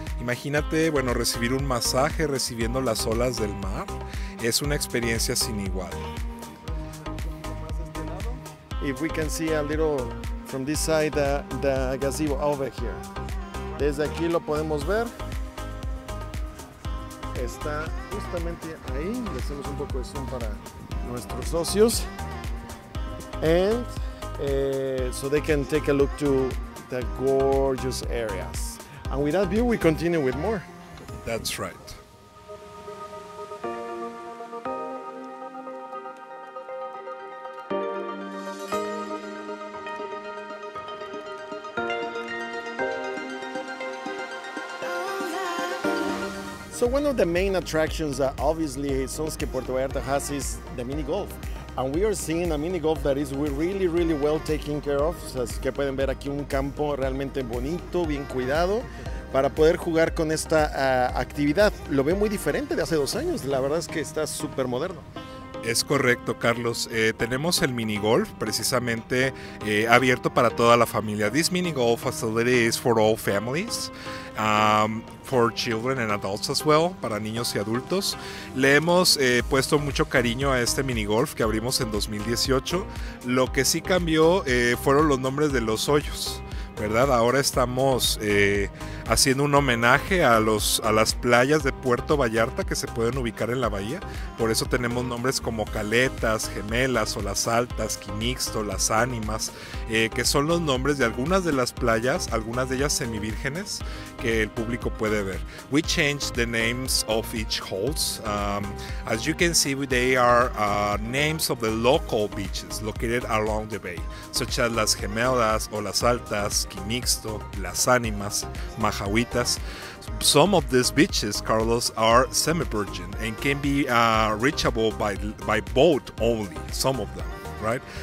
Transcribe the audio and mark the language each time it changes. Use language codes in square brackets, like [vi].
[es] Imagínate, bueno, recibir un masaje recibiendo las olas del mar. Es una experiencia sin igual. [en] If we can see a little from this side, the gazebo over here. [es] Desde aquí lo podemos ver. Está justamente ahí. Le hacemos un poco de zoom para nuestros socios. [en] And so they can take a look to the gorgeous areas. And with that view, we continue with more. That's right. Oh, yeah. So one of the main attractions that obviously Sonske Puerto Vallarta has is the mini golf. And we are seeing a mini golf that is really, really well taken care of. [es] As que pueden ver aquí un campo realmente bonito, bien cuidado, para poder jugar con esta actividad. Lo ve muy diferente de hace dos años. La verdad es que está súper moderno. Es correcto, Carlos. Tenemos el mini golf precisamente abierto para toda la familia. [en] This mini golf facility is for all families. For children and adults as well, [es] para niños y adultos. Le hemos puesto mucho cariño a este mini golf que abrimos en 2018. Lo que sí cambió fueron los nombres de los hoyos, ¿verdad? Ahora estamos haciendo un homenaje a las playas de Puerto Vallarta que se pueden ubicar en la bahía. Por eso tenemos nombres como Caletas, Gemelas, Olas Altas, Quinixto, Las Ánimas, que son los nombres de algunas de las playas, algunas de ellas semivírgenes, que el público puede ver. [en] We changed the names of each holes. As you can see, they are names of the local beaches located along the bay, such as Las Gemelas, Olas Altas, Quinixto, Las Ánimas, Majahuitas. Some of these beaches, Carlos, are semi-virgin and can be reachable by boat only, some of them, right?